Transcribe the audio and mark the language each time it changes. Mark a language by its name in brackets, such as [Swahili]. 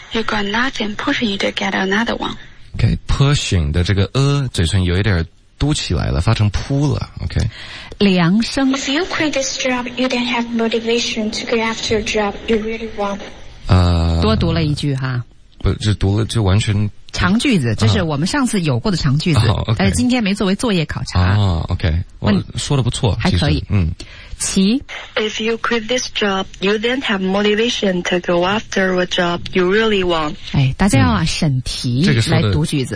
[English] you've got nothing pushing you to get another one. [Chinese] OK, pushing 的这个嘴唇有一点嘟起来了，发成扑了 ,OK。梁生 [English] If you quit this job, you then have motivation to go after a job you really want. [Chinese] 多读了一句哈。不，就读了就完全。长句子，这是我们上次有过的长句子，但是今天没作为作业考察。 OK， 我说的不错，还可以。齐 [English] If you quit this job, you then have motivation to go after a job you really want. [Chinese] 哎，大家要审题来读句子，